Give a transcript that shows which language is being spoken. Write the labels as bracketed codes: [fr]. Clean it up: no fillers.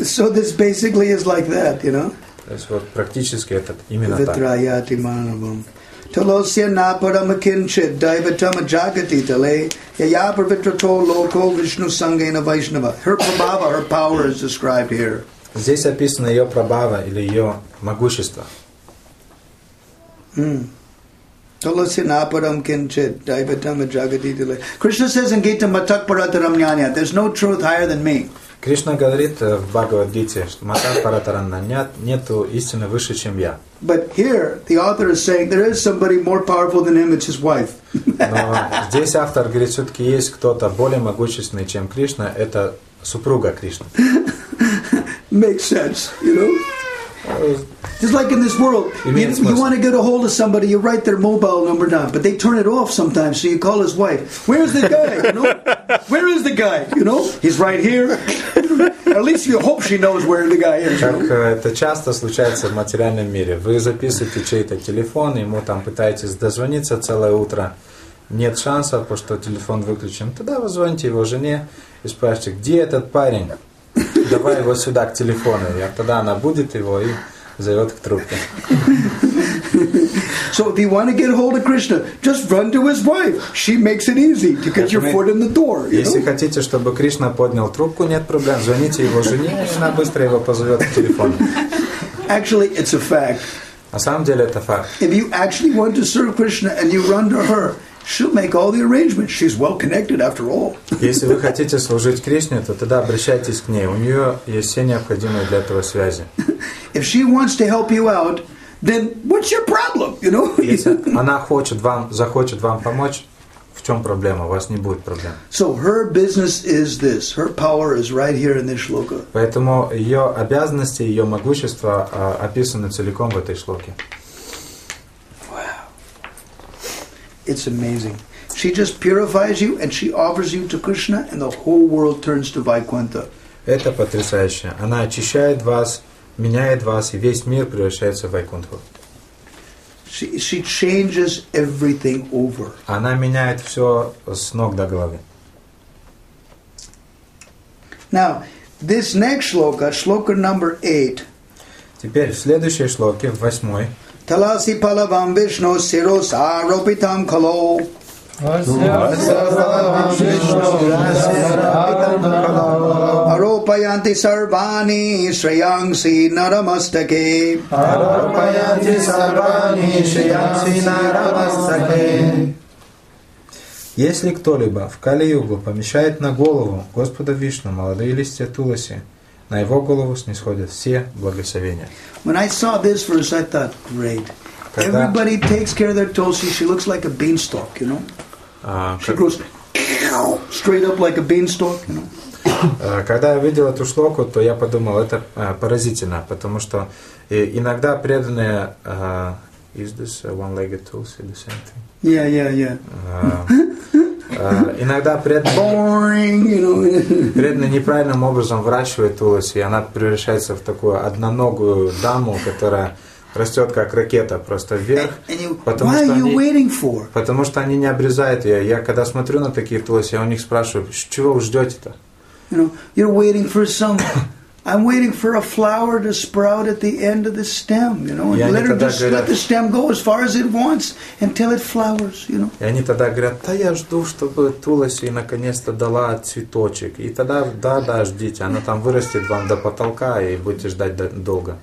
[en] So this basically is like that, you know? [ru] То есть вот практически это именно так. [sa] Витраяти манавам. Tulosya na paramakinchit daivatama jagati tale yaya pravitrato loko vishnu sangena vaishnava. [en] Her prabhava, her power is described here. [ru] Здесь описано ее прабава или ее могущество. [sa] Tulosya na paramakinchit daivatama jagati tale. [en] Krishna says in Gita [sa] matak parataram jnana, [en] there's no truth higher than me. [ru] Кришна говорит в Бхагавад-гите, что [sa] матар паратараннанят, [ru] нету истины выше, чем я. [en] But here the author is saying there is somebody more powerful than him, it's his wife. [ru] Но здесь автор говорит, все-таки есть кто-то более могущественный, чем Кришна, это супруга Кришны. [en] Makes sense, you know? Just like in this world, you want to get a hold of somebody, you write their mobile number down, but they turn it off sometimes, so you call his wife. Where's the guy? You know? Where is the guy? You know? He's right here. At least you hope she knows where the guy is. [ru] Как это часто случается в материальном мире. Вы записываете чей-то телефон, ему там пытаетесь дозвониться целое утро. Нет шансов, потому что телефон выключен. Тогда вы звоните его жене и спрашиваете, где этот парень? Давай его сюда к телефону, и тогда она будет его и зовет к трубке. [en] So if you want to get hold of Krishna, just run to his wife. She makes it easy to get your foot in the door. [ru] Если хотите, чтобы Кришна поднял трубку, нет проблем. Звоните его жене, и она быстро его позовет к телефону. [en] Actually, it's a fact. [ru] На самом деле это факт. [en] If you actually want to serve Krishna and you run to her, she'll make all the arrangements. She's well connected, after all. [ru] Если вы хотите служить Кришне, то тогда обращайтесь к ней. У нее есть все необходимые для этого связи. [en] If she wants to help you out, then what's your problem? You know. [ru] Если она хочет вам, захочет вам помочь, в чем проблема? У вас не будет проблем. [en] So her business is this. Her power is right here in this shloka. [ru] Поэтому ее обязанности, ее могущество описаны целиком в этой шлоке. [en] It's amazing. She just purifies you and she offers you to Krishna and the whole world turns to Vaikuntha. [ru] Это потрясающе. Она очищает вас, меняет вас, и весь мир превращается в Вайкунтху. [en] She changes everything over. [ru] Она меняет все с ног до головы. [en] Now, this next shloka, shloka number 8. [ru] Теперь, в следующей шлоке, в восьмой. [sa] Таласи палавам вишно сирос аропитам кало. Аропаянти сарвани шриянси нарамастаке. Аропаянти сарвани шриянси нарамастаке. [ru] Если кто-либо в Кали-югу помещает на голову Господа Вишну молодые листья Туласи, на его голову снисходят все благословения. [en] When I saw this verse, I thought, great. Everybody takes care of their Tulsi. She looks like a beanstalk, you know? She grows straight up like a beanstalk, you know? [ru] Когда я видел эту шлоку, то я подумал, это поразительно, потому что иногда преданные... [en] Is this a one-legged Tulsi, the same thing? [ru] Иногда преданные неправильным образом выращивают Туласи, и она превращается в такую одноногую даму, которая растет как ракета просто вверх, потому что они не обрезают ее. Я когда смотрю на такие Туласи, я у них спрашиваю, чего вы ждете-то? [en] You know, you're waiting for some... I'm waiting for a flower to sprout at the end of the stem, you know, and let her just [ru] говорят, [en] let the stem go as far as it wants until it flowers, you know. [ru] И они тогда говорят, да, я жду, чтобы Туласи наконец-то дала цветочек. И тогда, да, ждите, она там вырастет вам до потолка, и будете ждать долго.